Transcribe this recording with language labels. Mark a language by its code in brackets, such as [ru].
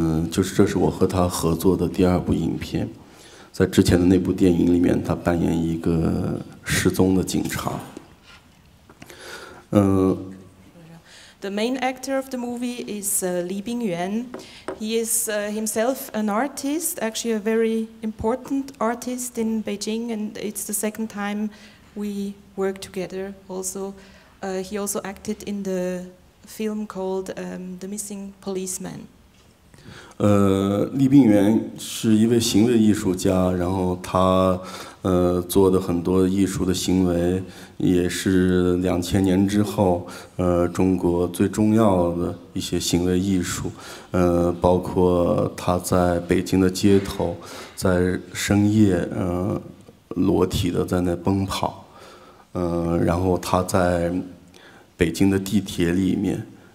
[zh] 就是这是我和他合作的第二部影片，在之前的那部电影里面，他扮演一个失踪的警察。 [en] The main actor of the movie is Li Bingyuan. He is himself an artist, actually a very important artist in Beijing, and it's the second time we work together also. He also acted in the film called The Missing Policeman. [zh] Li Bingyuan是一位行为艺术家，然后他做的很多艺术的行为也是2000年之后中国最重要的一些行为艺术，包括他在北京的街头在深夜裸体的在那奔跑，然后他在北京的地铁里面